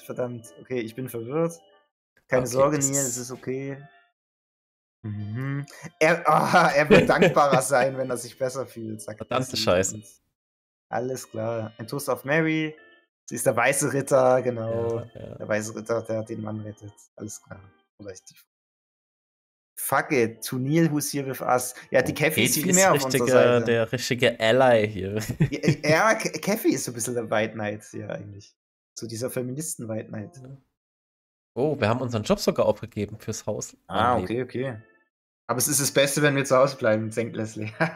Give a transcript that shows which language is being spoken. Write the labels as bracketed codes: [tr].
[de] Okay, ich bin verwirrt. Keine Sorge, Neil, es ist okay. Mhm. Er wird dankbarer sein, wenn er sich besser fühlt. Verdammte Scheiße. Alles klar. Ein Toast auf Mary. Sie ist der weiße Ritter, genau. Ja. Der weiße Ritter, der den Mann rettet. Alles klar. [en] Fuck it, to Neil, who's here with us. [de] Ja, die Kathy ist viel mehr auf unserer Seite. Der richtige Ally hier. Ja, Kathy ist so ein bisschen der White Knight hier eigentlich. Zu dieser Feministen-White Knight. Oh, wir haben unseren Job sogar aufgegeben fürs Haus. Ah, okay, Leben. Okay. Aber es ist das Beste, wenn wir zu Hause bleiben, denkt Leslie.